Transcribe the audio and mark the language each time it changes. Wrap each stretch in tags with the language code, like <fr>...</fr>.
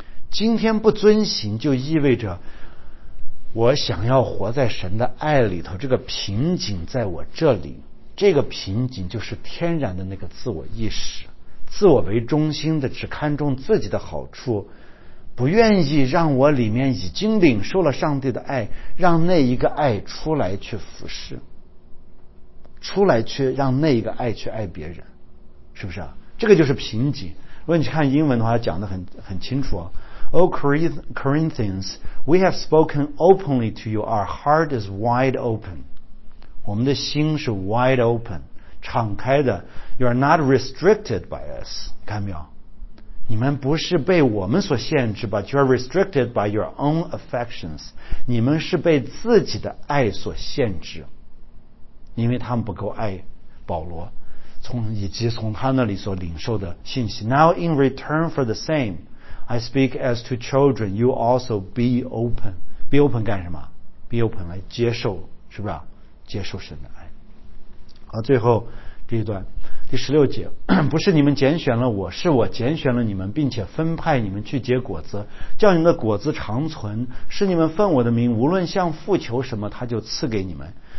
<zh>今天不遵行就意味着我想要活在神的爱里头，这个瓶颈在我这里，这个瓶颈就是天然的那个自我意识，自我为中心的，只看重自己的好处，不愿意让我里面已经领受了上帝的爱，让那一个爱出来去服侍，出来去让那一个爱去爱别人，是不是啊？这个就是瓶颈。如果你去看英文的话，讲得很清楚啊。</zh> <en>O Corinthians, we have spoken openly to you. Our heart is wide open.</en> <zh>我们的心是</zh> <en>wide open,</en> <zh>敞开的。</zh> <en>You are not restricted by us.</en> <zh>看没有？你们不是被我们所限制，</zh> <en>but you are restricted by your own affections.</en> <zh>你们是被自己的爱所限制，因为他们不够爱保罗，以及从他那里所领受的信息。</zh> <en>Now in return for the same,I speak as to children, you also be open. Be open</en> <zh>干什么？</zh> <en>Be open</en> <zh>来接受，是不是啊？接受神的爱。好，最后这一段第十六节，不是你们拣选了我，是我拣选了你们，并且分派你们去结果子，叫你们的果子长存，是你们奉我的名无论向父求什么他就赐给你们。</zh>